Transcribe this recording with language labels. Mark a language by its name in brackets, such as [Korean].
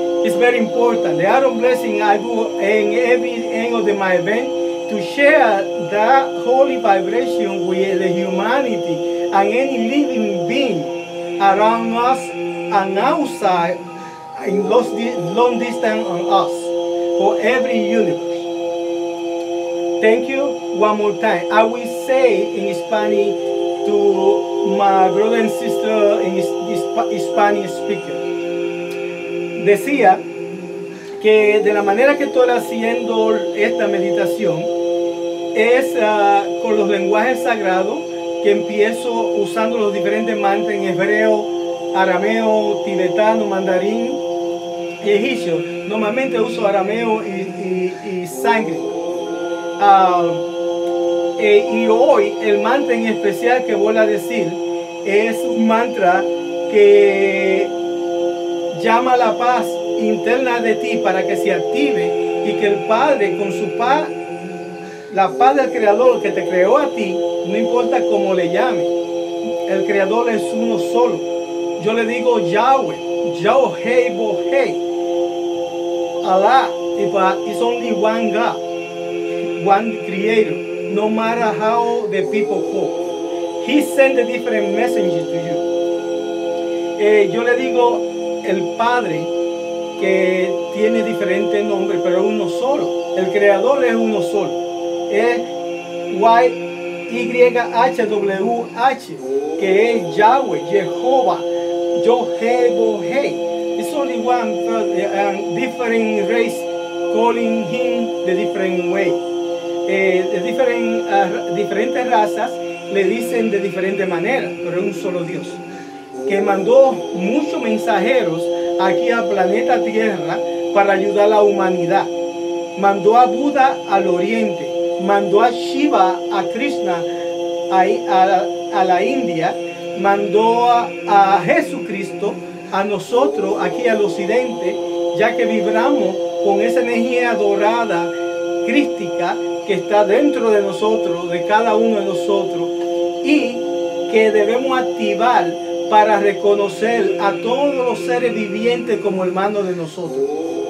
[English] It's very important. The Aaron blessing I do in every end of my event, to share that holy vibration with the humanity and any living being around us and outside, in long distance on us, for every universe. Thank you one more time. I will say in Spanish, to my brother and sister in Spanish speaker. [Spanish] Decía que de la manera que estoy haciendo esta meditación es con los lenguajes sagrados, que empiezo usando los diferentes mantras en hebreo, arameo, tibetano, mandarín y egipcio. Normalmente uso arameo y sangre. Y hoy el mantra en especial que voy a decir es un mantra que llama la paz interna de ti para que se active, y que el Padre con su paz, la paz del Creador que te creó a ti, no importa cómo le llame, el Creador es uno solo. Yo le digo [English] Yahweh, Yahweh, Bohei, Allah, it's only one God, one Creator, no matter how the people call. He sent a different message to you. [Spanish] Yo le digo el Padre, que tiene diferentes nombres, pero uno solo. El Creador es uno solo. YHWH, que es Yahweh, Jehovah, Yohebohei. [English] It's only one, but different race calling him the different way. [Spanish] Diferentes razas le dicen de diferente manera, pero es un solo Dios, que mandó muchos mensajeros aquí al planeta Tierra para ayudar a la humanidad. Mandó a Buda al oriente, mandó a Shiva, a Krishna, a la India, mandó a Jesucristo a nosotros aquí al occidente, ya que vibramos con esa energía dorada crística que está dentro de nosotros, de cada uno de nosotros, y que debemos activar para reconocer a todos los seres vivientes como hermanos de nosotros.